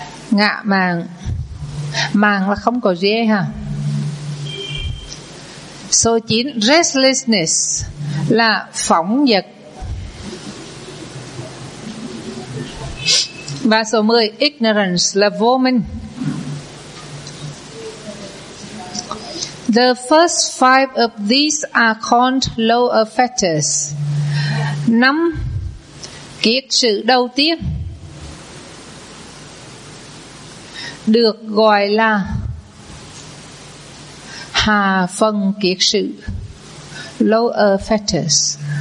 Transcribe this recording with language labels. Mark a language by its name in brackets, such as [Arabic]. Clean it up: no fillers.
[Vietnamese] Ngạ màng. Màng là không có dê ha. Số 9, restlessness, là phóng dật. Và số 10, ignorance, là vô minh. [English] The first five of these are called lower fetters. [Vietnamese] Năm kiết sự đầu tiên được gọi là hạ phần kiết sự, lower fetters.